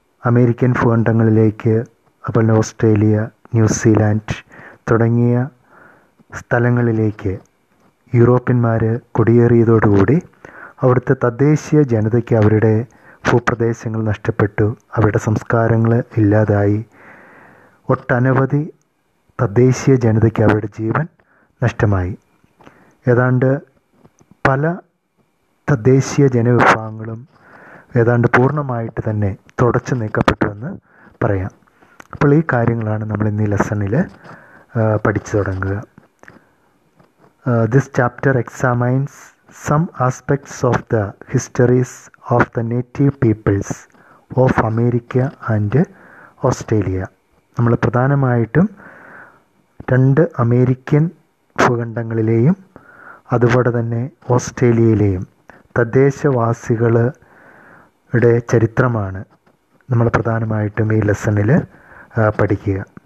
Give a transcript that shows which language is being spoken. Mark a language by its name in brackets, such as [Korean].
[Malayalam] American Bhoondangalilekku, appole Australia, New Zealand, thudangiya sthalangalilekku യൂറോപ്യന്മാരെ കുടിയേറിയതോടുകൂടി അവിടുത്തെ തദ്ദേശീയ ജനതയ്ക്ക് അവരുടെ ഭൂപ്രദേശങ്ങൾ നഷ്ടപ്പെട്ടു, അവരുടെ സംസ്കാരങ്ങൾ ഇല്ലാതായി, ഒട്ടനവധി തദ്ദേശീയ ജനതയ്ക്ക് അവരുടെ ജീവൻ നഷ്ടമായി. ഏതാണ്ട് പല തദ്ദേശീയ ജനവിഭാഗങ്ങളും ഏതാണ്ട് പൂർണ്ണമായിട്ട് തന്നെ തുടച്ചു നീക്കപ്പെട്ടുവെന്ന് പറയാം. അപ്പോൾ ഈ കാര്യങ്ങളാണ് നമ്മൾ ഇന്ന് ഈ ലെസണിൽ പഠിച്ചു തുടങ്ങുക. [English] This chapter examines some aspects of the histories of the native peoples of America and Australia. [Malayalam] നമ്മൾ പ്രധാനമായിട്ടും രണ്ട് അമേരിക്കൻ ഭൂഖണ്ഡങ്ങളിലെയും അതുപോലെ തന്നെ ഓസ്ട്രേലിയയിലെയും തദ്ദേശവാസികളുടെ ചരിത്രമാണ് നമ്മൾ പ്രധാനമായിട്ടും ഈ ലെസണിൽ പഠിക്കുക.